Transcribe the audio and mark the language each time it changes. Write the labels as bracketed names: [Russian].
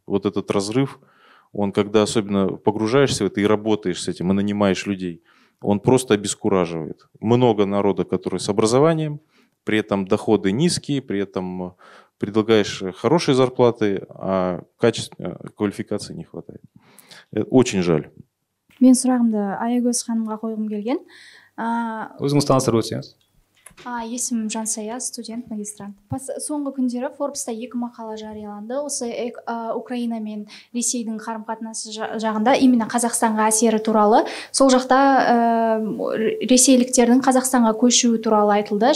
[Russian] Вот этот разрыв, он когда особенно погружаешься в это и работаешь с этим, и нанимаешь людей, он просто обескураживает. Много народа, который с образованием, при этом доходы низкие, при этом предлагаешь хорошие зарплаты, а качества квалификации не хватает. Это очень жаль. [Kazakh] Мен сұрағымды Аягөз ханымға қойғым келген. Өзіңіз таныстырып өтсеңіз. Есімім Жансая, студент, магистрант. Соңғы күндері Forbes-та екі мақала жарияланды. Осы Украина мен Ресейдің қарым-қатынасы жағында, [Russian] именно [Kazakh] Қазақстанға әсері туралы. Сол жақта ресейліктердің Қазақстанға көшуі туралы айтылды.